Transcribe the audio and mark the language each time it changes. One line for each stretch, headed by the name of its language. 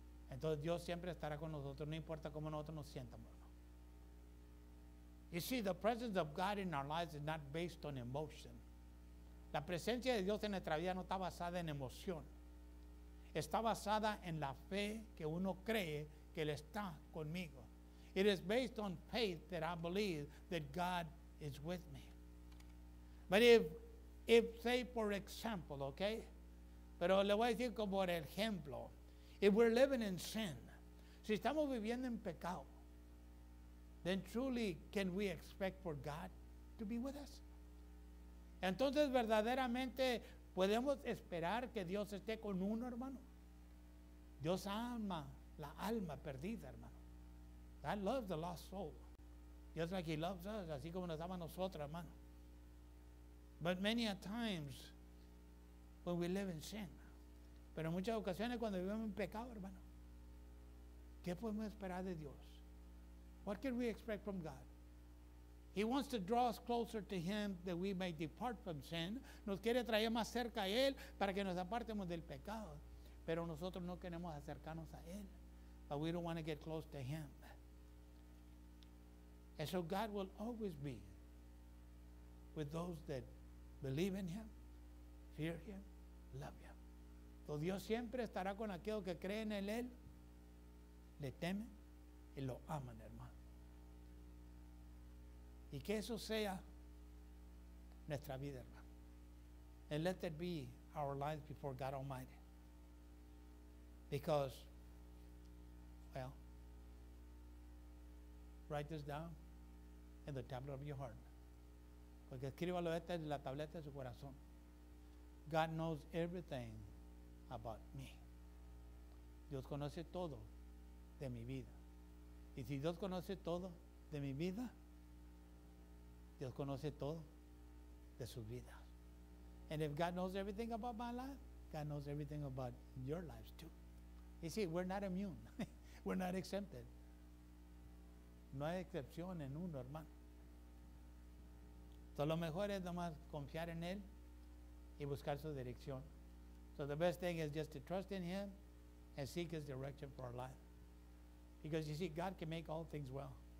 Spanish: Entonces Dios siempre estará con nosotros, no importa cómo nosotros nos sientamos.
English: You see, the presence of God in our lives is not based on emotion.
Spanish: La presencia de Dios en nuestra vida no está basada en emoción. Está basada en la fe que uno cree que Él está conmigo.
English: It is based on faith that I believe that God is with me. But if say for example, okay?
Spanish: Pero le voy a decir como por ejemplo.
English: If we're living in sin,
Spanish: si estamos viviendo en pecado,
English: then truly, can we expect for God to be with us?
Spanish: Entonces, verdaderamente, ¿podemos esperar que Dios esté con uno, hermano? Dios ama la alma perdida, hermano.
English: God loves the lost soul. Just like He loves us,
Spanish: así como nos ama a nosotros, hermano.
English: But many a times, when we live in sin,
Spanish: pero en muchas ocasiones cuando vivimos en pecado, hermano, ¿qué podemos esperar de Dios?
English: What can we expect from God? He wants to draw us closer to Him that we may depart from sin.
Spanish: Nos quiere traer más cerca a Él para que nos apartemos del pecado. Pero nosotros no queremos acercarnos a Él.
English: But we don't want to get close to Him. And so God will always be with those that believe in Him, fear Him, love Him.
Spanish: So Dios siempre estará con aquellos que creen en Él, le temen y lo aman, hermano. Y que eso sea nuestra vida, hermano.
English: And let that be our lives before God Almighty. Because, well, write this down in the tablet of your heart.
Spanish: Porque escríbalo esto en la tableta de su corazón.
English: God knows everything about me.
Spanish: Dios conoce todo de mi vida. Y si Dios conoce todo de mi vida, Dios conoce todo de su vida.
English: And if God knows everything about my life, God knows everything about your lives too. You see, we're not immune. We're not exempted.
Spanish: No hay excepción en uno, hermano. So lo mejor es nomás confiar en Él y buscar su dirección.
English: So the best thing is just to trust in Him and seek His direction for our life. Because you see, God can make all things well.